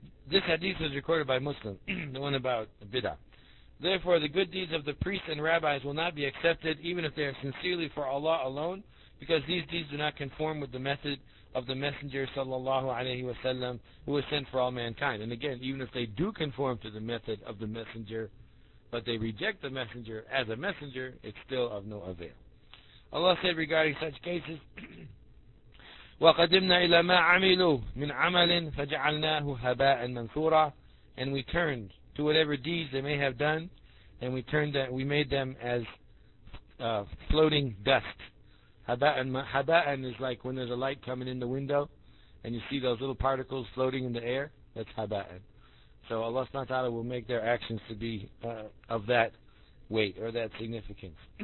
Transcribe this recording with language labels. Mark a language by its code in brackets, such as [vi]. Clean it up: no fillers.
[en] This hadith was recorded by Muslim, the one about bid'ah. Therefore, the good deeds of the priests and rabbis will not be accepted, even if they are sincerely for Allah alone, because these deeds do not conform with the method of the messenger, sallallahu alayhi wa sallam, who was sent for all mankind. And again, even if they do conform to the method of the messenger, but they reject the messenger as a messenger, it's still of no avail. Allah said regarding such cases, [ar] وَقَدِمْنَا إِلَى مَا عَمِلُوا مِنْ عَمَلٍ فَجَعَلْنَاهُ هَبَاءً مَنْثُورًا. [en] And we turned to whatever deeds they may have done, and we made them as floating dust. هَبَاءً is like when there's a light coming in the window, and you see those little particles floating in the air. That's هَبَاءً. So Allah subhanahu wa ta'ala will make their actions to be of that weight or that significance.